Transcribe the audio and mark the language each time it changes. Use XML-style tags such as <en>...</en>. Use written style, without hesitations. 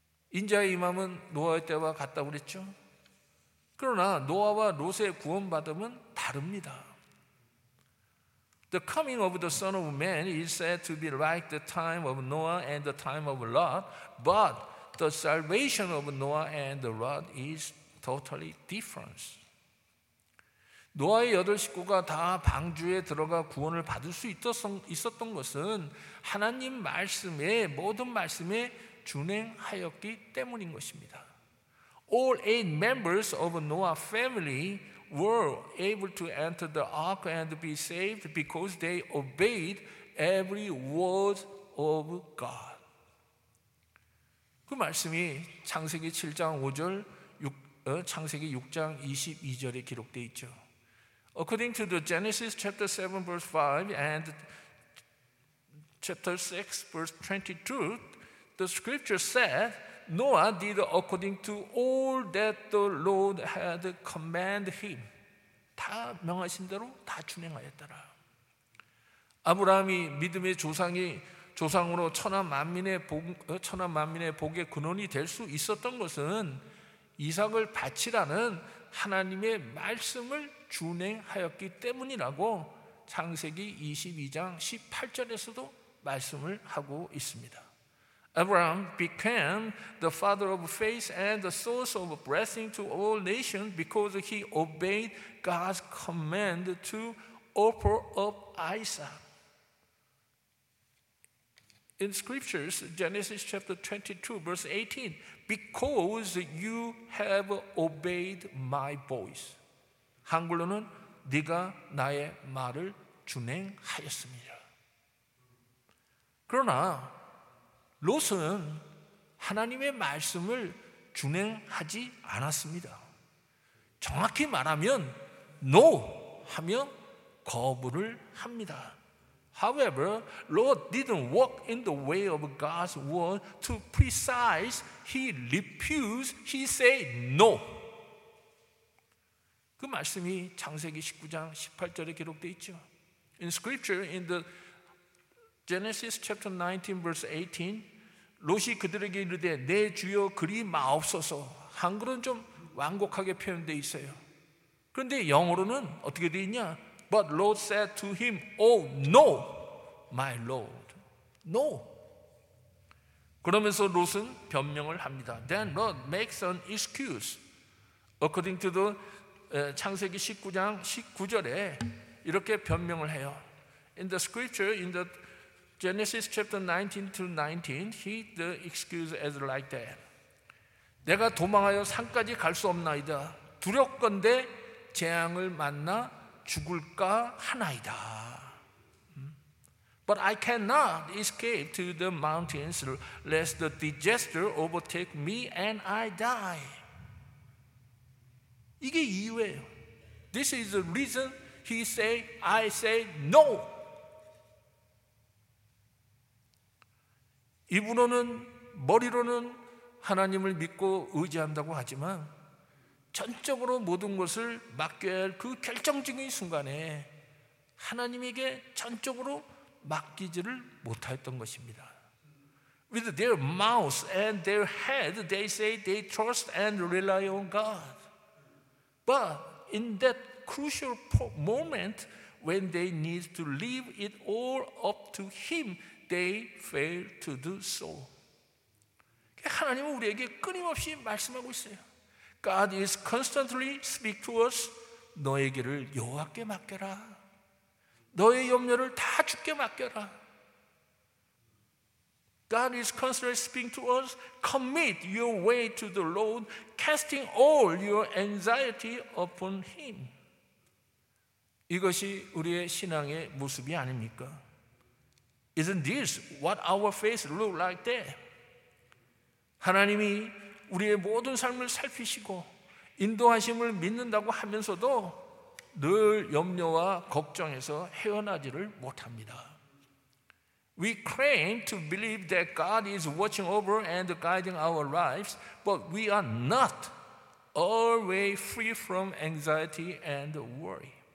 <ko>인자의 임함은 노아의 때와 같다고 그랬죠? 그러나 노아와 롯의 구원받음은 다릅니다.</ko> <en>The coming of the Son of Man is said to be like the time of Noah and the time of Lot, but the salvation of Noah and Lot is totally different.</en> <ko>노아의 여덟 식구가 다 방주에 들어가 구원을 받을 수 있었던 것은 하나님 말씀에 모든 말씀에 준행하였기 때문인 것입니다.</ko> <en>All eight members of Noah's family were able to enter the ark and be saved because they obeyed every word of God.</en> <ko>그 말씀이 창세기 7장 5절, 창세기 6장 22절에 기록되어 있죠.</ko> <en>According to the Genesis chapter 7 verse 5 and chapter 6 verse 22, the scripture said, Noah did according to all that the Lord had commanded him.</en> <ko>다 명하신 대로 다 준행하였더라. 아브라함이 믿음의 조상이 조상으로 천하 만민의 복의 근원이 될 수 있었던 것은 이삭을 바치라는 하나님의 말씀을 준행하였기 때문이라고 창세기 22장 18절에서도 말씀을 하고 있습니다.</ko> <en>Abraham became the father of faith and the source of blessing to all nations because he obeyed God's command to offer up Isaac. In scriptures, Genesis chapter 22, verse 18, because you have obeyed my voice.</en> <ko>한글로는 네가 나의 말을 준행하였습니다. 그러나 롯은 하나님의 말씀을 준행하지 않았습니다. 정확히 말하면 no 하며 거부를 합니다.</ko> <en>However, Lot didn't walk in the way of God's word to precise. He refused. He said no.</en> <ko>그 말씀이 창세기 19장 18절에 기록되어 있죠.</ko> <en>In scripture, in the Genesis chapter 19 verse 18,</en> <ko>롯이 그들에게 이르되 내 주여 그리 마옵소서. 한글은 좀 완곡하게 표현되어 있어요. 그런데 영어로는 어떻게 되어 있냐?</ko> <en>But Lot said to him, Oh no, my Lord, no.</en> <ko>그러면서 롯은 변명을 합니다.</ko> <en>Then Lot makes an excuse. According to the</en> <ko>창세기 19장 19절에 이렇게 변명을 해요.</ko> <en>In the scripture, in the Genesis chapter 19 to 19, he the excuse as like that.</en> <ko>내가 도망하여 산까지 갈 수 없나이다. 두렵건대 재앙을 만나 죽을까 하나이다.</ko> <en>But I cannot escape to the mountains lest the disaster overtake me and I die.</en> <ko>이게 이유예요.</ko> <en>This is the reason he say I say no.</en> <ko>입으로는 머리로는 하나님을 믿고 의지한다고 하지만 전적으로 모든 것을 맡겨야 할 그 결정적인 순간에 하나님에게 전적으로 맡기지를 못했던 것입니다.</ko> <en>With their mouths and their head, they say they trust and rely on God. But in that crucial moment when they need to leave it all up to Him, they fail to do so.</en> <ko>하나님은 우리에게 끊임없이 말씀하고 있어요.</ko> <en>God is constantly speak to us.</en> <ko>너의 길을 여호와께 맡겨라. 너의 염려를 다 주께 맡겨라.</ko> <en>God is constantly speaking to us. Commit your way to the Lord, casting all your anxiety upon Him.</en> <ko>이것이 우리의 신앙의 모습이 아닙니까?</ko> <en>Isn't this what our faith looks like there?</en> <ko>하나님이 우리의 모든 삶을 살피시고 인도하심을 믿는다고 하면서도 늘 염려와 걱정에서 헤어나지를 못합니다.</ko> <en>We claim to believe that God is watching over and guiding our lives, but we are not always free from anxiety and worry.</en>